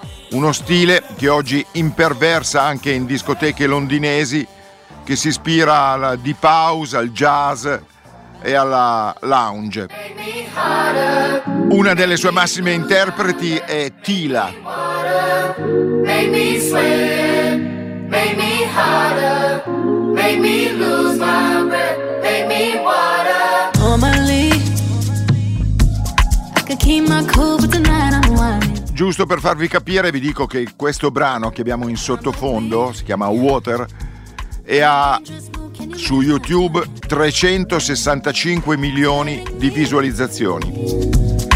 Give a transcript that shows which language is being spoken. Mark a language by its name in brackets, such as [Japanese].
[Italian] Uno stile che oggi imperversa anche in discoteche londinesi, che si ispira al deep house, al jazz e alla lounge. Una delle sue massime interpreti è Tila. [English] Make me swim, make me harder, make me lose my breath, make me water. Normally, I could keep my cool, but tonight I'm whining. [Italian] Giusto per farvi capire, vi dico che questo brano che abbiamo in sottofondo si chiama Water e ha su YouTube 365 milioni di visualizzazioni.